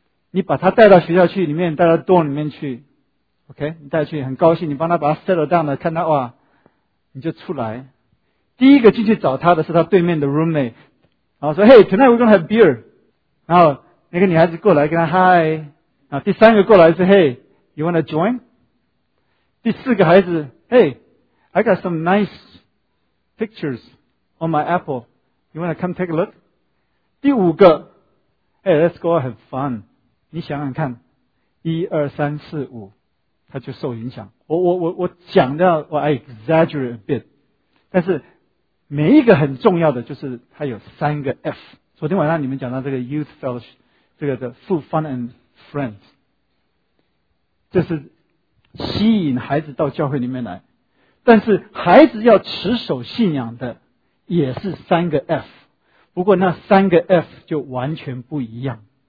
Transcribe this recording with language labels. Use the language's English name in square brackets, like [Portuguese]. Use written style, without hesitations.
[Chinese] 你把他带到学校去里面，带到 dorm 里面去， OK, 你带去很高兴，你帮他把他 settle down 了，看他哇你就出来，第一个进去找他的是他对面的 roommate, 然后说 [English] Hey, tonight we're going to have beer, [Chinese] 然后那个女孩子过来跟他 Hi, 然后第三个过来是 [English] Hey, you want to join? [Chinese] 第四个孩子 [English] HeyI got some nice pictures on my Apple. You want to come take a look? [Chinese] 第五个 [English] Hey, let's go have fun. [Chinese] 你想想看，一二三四五，他就受影响。我讲的，我 [English] I exaggerate a bit. [Chinese] 但是每一个很重要的就是他有3个 F. 昨天晚上你们讲到这个 youth fellowship, 这个的 [English] food, fun and friends. [Chinese] 这是吸引孩子到教会里面来。但是孩子要持守信仰的也是3个 F, 不过那3个 F 就完全不一样。